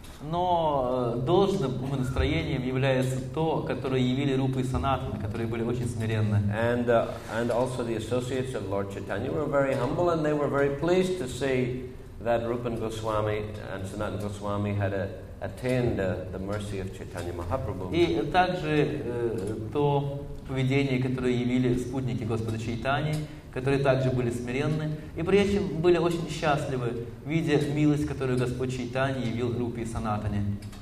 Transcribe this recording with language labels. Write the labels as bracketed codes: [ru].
[ru] Но должным умонастроением является то, которое явили Рупа и Санатана, которые были очень смиренны. [en] And also the associates of Lord Chaitanya were very humble, and they were very pleased to see that Rupa Goswami and Sanatana Goswami had attained the mercy of Chaitanya Mahaprabhu. [ru] И также то поведение, которое явили спутники Господа Чайтани, которые также были смиренны и при этом были очень счастливы, видя милость, которую Господь Чайтани явил Рупе и Санатане.